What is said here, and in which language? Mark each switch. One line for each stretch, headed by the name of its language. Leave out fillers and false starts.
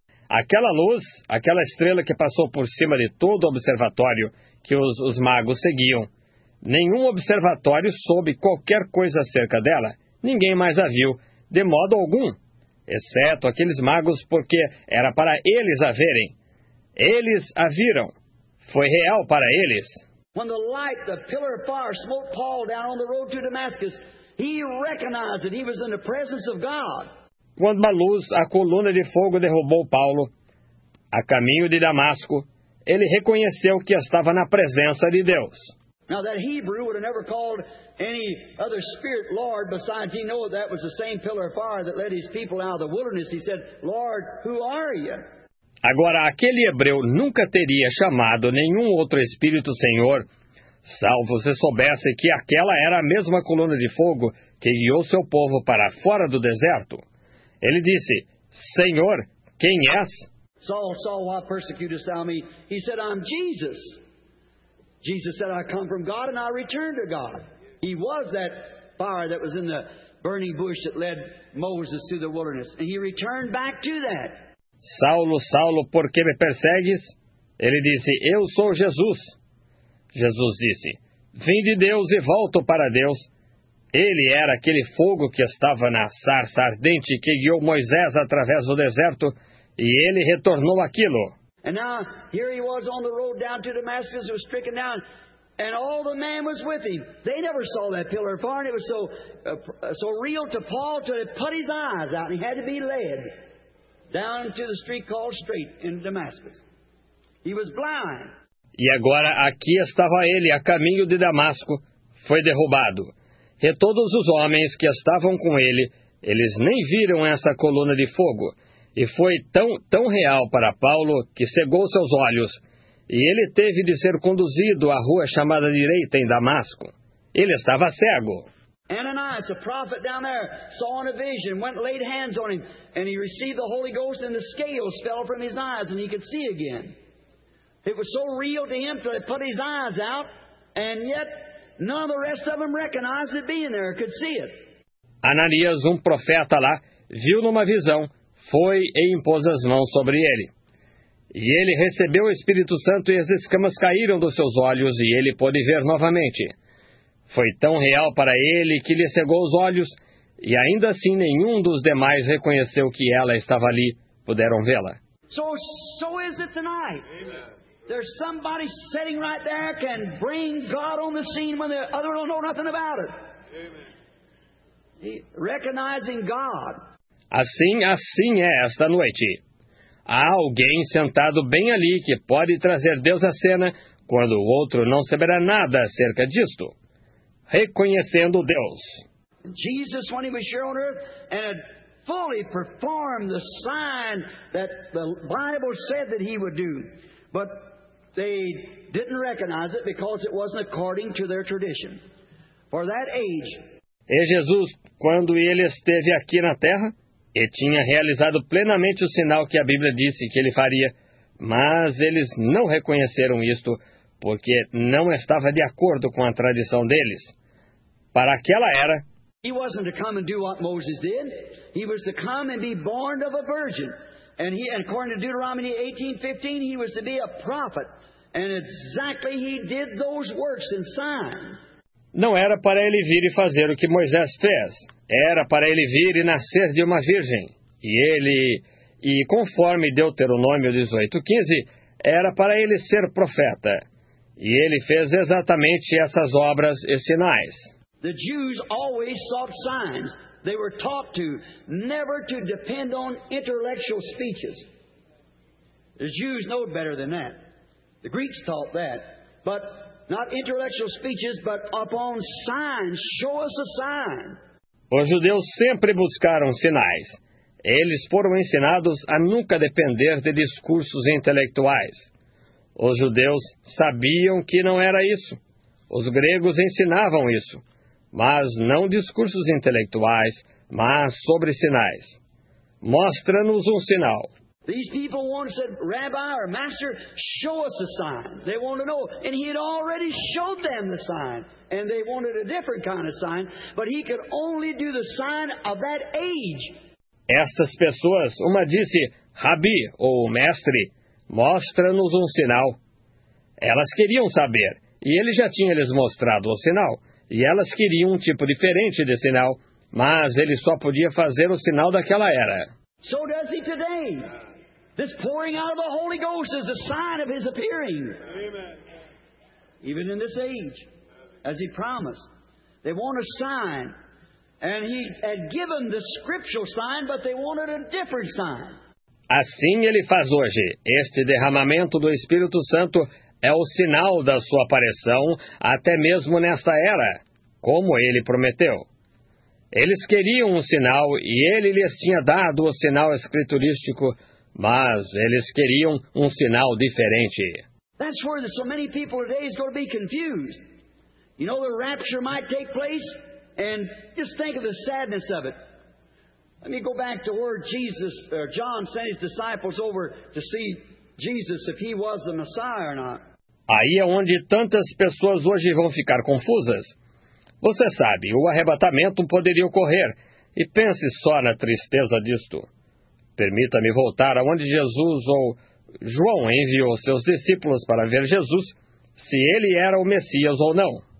Portuguese: Aquela luz, aquela estrela que passou por cima de todo o observatório que os magos seguiam. Nenhum observatório soube qualquer coisa acerca dela. Ninguém mais a viu, de modo algum. Exceto aqueles magos, porque era para eles a verem. Eles a viram. Foi real para eles.
English: When the light, the pillar of fire, smote Paul down on the road to Damascus, he recognized that he was in the presence of God.
Portuguese: Quando a luz, a coluna de fogo derrubou Paulo, a caminho de Damasco, ele reconheceu que estava na presença de Deus.
English: Now that Hebrew would have never called any other spirit Lord, besides he knew that was the same pillar of fire that led his people out of the wilderness. He said, Lord, who are you?
Portuguese: Agora, aquele hebreu nunca teria chamado nenhum outro espírito Senhor, salvo se soubesse que aquela era a mesma coluna de fogo que guiou seu povo para fora do deserto. Ele disse, Senhor, quem és?
English: Saul, Saul, why persecutest thou me? He said, I'm Jesus. Jesus said, I come from God and I return to God. He was that fire that was in the burning bush that led Moses through the wilderness. And he returned back to that.
Portuguese: Saulo, Saulo, por que me persegues? Ele disse, eu sou Jesus. Jesus disse, vim de Deus e volto para Deus. Ele era aquele fogo que estava na sarça ardente que guiou Moisés através do deserto, e ele retornou aquilo.
English: And now, here he was on the road down to Damascus, he was stricken down, and all the men was with him. They never saw that pillar of fire, and it was so real to Paul to put his eyes out, and he had to be led down to the street called Straight in Damascus. He was blind.
Portuguese: E agora aqui estava ele, a caminho de Damasco, foi derrubado. E todos os homens que estavam com ele, eles nem viram essa coluna de fogo. E foi tão real para Paulo que cegou seus olhos. E ele teve de ser conduzido à rua chamada Direita em Damasco. Ele estava cego.
English: Ananias,
Portuguese: o profeta
English: down there, saw in a vision, went and laid hands on him, and he received the Holy Ghost, and the scales fell from his eyes, and he could see again. It was so real to him that he put his eyes out, and yet none of the rest of them recognized it being there, could see it.
Portuguese: Ananias, um profeta lá, viu numa visão, foi e impôs as mãos sobre ele. E ele recebeu o Espírito Santo e as escamas caíram dos seus olhos e ele pôde ver novamente. Foi tão real para ele que lhe cegou os olhos, e ainda assim nenhum dos demais reconheceu que ela estava ali, puderam vê-la.
English: So is it tonight. Amen. There's somebody sitting right there can bring God on the scene when the other don't know nothing about it. Amen. Recognizing God.
Portuguese: Assim é esta noite. Há alguém sentado bem ali que pode trazer Deus à cena quando o outro não saberá nada acerca disto. Reconhecendo Deus.
English: Jesus,
Portuguese: quando ele estava aqui na Terra, e
English: fully performed the sign that the Bible said that he would do, but they didn't recognize it because it wasn't according to their tradition. For that age.
Portuguese: E Jesus, quando ele esteve aqui na Terra, e tinha realizado plenamente o sinal que a Bíblia disse que ele faria, mas eles não reconheceram isto porque não estava de acordo com a tradição deles. Para aquela era.
English: He wasn't to come and do what Moses did. He was to come and be born of a virgin. And he, according to Deuteronomy 18:15, he was to be a prophet. And exactly he did those works and signs.
Portuguese: Não era para ele vir e fazer o que Moisés fez. Era para ele vir e nascer de uma virgem. E conforme Deuteronômio 18:15, era para ele ser profeta. E ele fez exatamente essas obras e sinais.
English: The Jews always sought signs. They were taught to never to depend on intellectual speeches. The Jews know better than that. The Greeks taught that. But not intellectual speeches, but upon signs. Show us a sign.
Portuguese: Os judeus sempre buscaram sinais. Eles foram ensinados a nunca depender de discursos intelectuais. Os judeus sabiam que não era isso. Os gregos ensinavam isso. Mas não discursos intelectuais, mas sobre sinais. Mostra-nos um sinal.
English: These people wanted said, Rabbi or Master, show us a sign. They want to know. And he had already showed them the sign. And they wanted a different kind of sign. But he could only do the sign of that age.
Portuguese: Estas pessoas, uma disse, Rabi ou Mestre, mostra-nos um sinal. Elas queriam saber. E ele já tinha lhes mostrado o sinal. E elas queriam um tipo diferente de sinal, mas ele só podia fazer o sinal daquela era.
English: So does he today. This pouring out of the Holy Ghost is a sign of his appearing. Amen. Even in this age, as he promised, they want a sign. And he had given the scriptural sign, but they wanted a different sign.
Portuguese: Assim ele faz hoje. Este derramamento do Espírito Santo é o sinal da sua aparição, até mesmo nesta era, como ele prometeu. Eles queriam um sinal e ele lhes tinha dado o sinal escriturístico, mas eles queriam um sinal diferente.
English: That's where so many people today is going to be confused. You know, the rapture might take place, and just think of the sadness of it. Let me go back to where Jesus, or John sent his disciples over to see Jesus if he was the Messiah or not.
Portuguese: Aí é onde tantas pessoas hoje vão ficar confusas. Você sabe, o arrebatamento poderia ocorrer, e pense só na tristeza disto. Permita-me voltar aonde Jesus ou João enviou seus discípulos para ver Jesus, se ele era o Messias ou não.